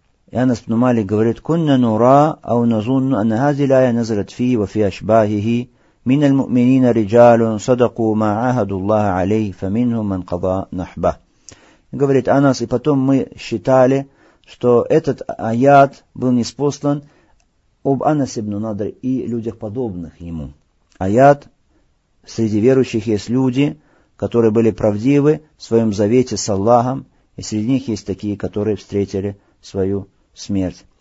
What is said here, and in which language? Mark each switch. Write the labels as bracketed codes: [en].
[ru] И Анас бин Малик говорит: [ar] «Кунна нура ау назунну анна хази лая назарат фи ва фи ашбахихи من المؤمنين رجال صدقوا ما عاهدوا الله عليه فمنهم من قضى نحبه. [ru] Говорит Анас, и потом мы считали, что этот аят был ниспослан об Анас ибн Надр и людях, подобных ему. Аят: среди верующих есть люди, которые были правдивы в своем завете с Аллахом, и среди них есть такие, которые встретили свою смерть.